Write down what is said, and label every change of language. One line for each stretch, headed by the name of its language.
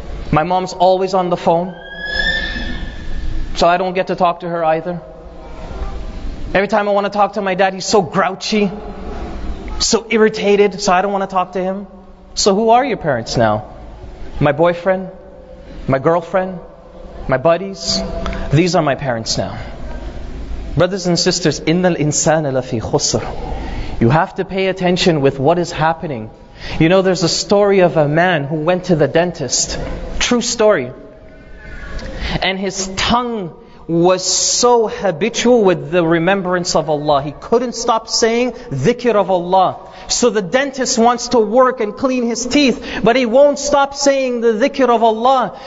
English: My mom's always on the phone. So I don't get to talk to her either. Every time I want to talk to my dad, he's so grouchy, so irritated, so I don't want to talk to him. So who are your parents now? My boyfriend, my girlfriend, my buddies, these are my parents now. Brothers and sisters,
Arabic: إِنَّ الْإِنسَانَ لَفِي خُسْرٍ.
English: You have to pay attention with what is happening. You know, there's a story of a man who went to the dentist. True story. And his tongue was so habitual with the remembrance of Allah. He couldn't stop saying dhikr of Allah. So the dentist wants to work and clean his teeth, but he won't stop saying the dhikr of Allah.